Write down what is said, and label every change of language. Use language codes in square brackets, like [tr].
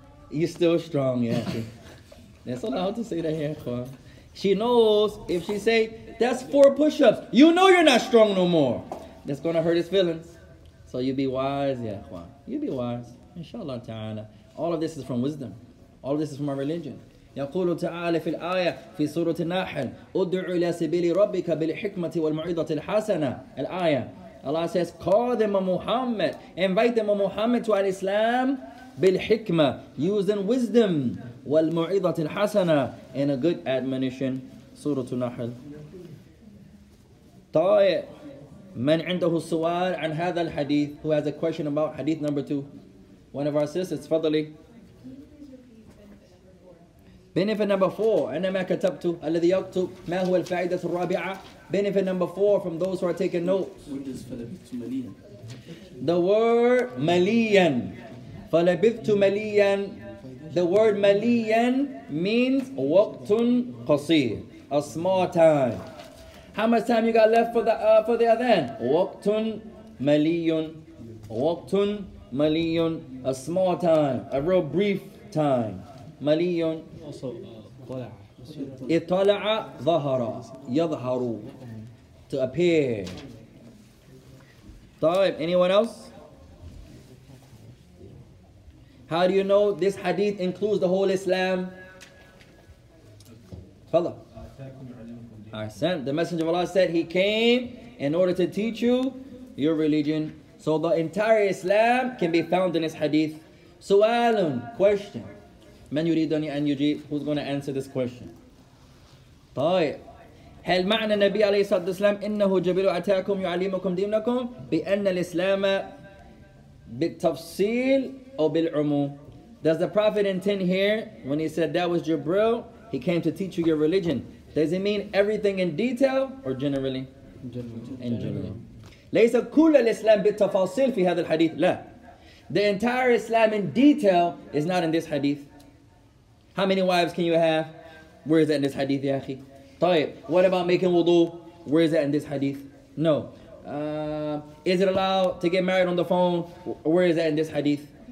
[en] You're still strong, yeah. That's allowed to say that here, Khoha. She knows if she say, that's 4 push-ups. You know you're not strong no more. That's going to hurt his feelings. So you be wise, yeah, Khoha. You be wise. Inshallah ta'ala. All of this is from wisdom. All of this is from our religion. [ar] يقول تعالى في الآية في سورة النحل ادع إلى سبيل ربك بالحكمة والموعظة الحسنة الآية [en] Allah says call them a Muhammad invite them a Muhammad to Islam [ar] بالحكمة [en] using wisdom [ar] والموعظة الحسنة [en] in a good admonition [ar] سورة النحل طيب من عنده سؤال عن هذا الحديث [en] who has a question about hadith number 2 one of our sisters [ar] فضلي [en] Benefit number 4, [ar] أنا ما كتبت الذي يكتب ما هو الفائدة الرابعة. [en] Benefit number 4 from those who are taking notes. What is [ar] فلبثت مليا? [en] The word مليا. [ar] فلبثت مليا. [en] The word مليا means [ar] وقت قصير. [en] A small time. How much time you got left for the adhan? [ar] وقت مليا. وقت مليا. [en] A small time. A real brief time. مليا. Also, [ar] طلع. اطلع ظهر يظهر [en] to appear. [ar] طيب, [en] anyone else? How do you know this hadith includes the whole Islam? [ar] تفضل. أحسن. [en] The Messenger of Allah said he came in order to teach you your religion. So the entire Islam can be found in this hadith. [ar] سؤال, [en] question. [ar] من يريدني أن يجيب? [en] Who's going to answer this question? [ar] طيب. هل معنى النبي عليه الصلاة والسلام إنه جبريل أتاكم يعلمكم دينكم بأن الإسلام بالتفصيل أو بالعموم? [en] Does the Prophet intend here when he said that was Jibril, he came to teach you your religion? Does it mean everything in detail or generally? In general. [ar] ليس كل الإسلام بالتفاصيل في هذا الحديث. لا. [en] The entire Islam in detail is not in this hadith. How many wives can you have? Where is that in this hadith, ya akhi? [ar] طيب, [en] what about making wudu? Where is that in this hadith? No. Is it allowed to get married on the phone? Where is that in this hadith?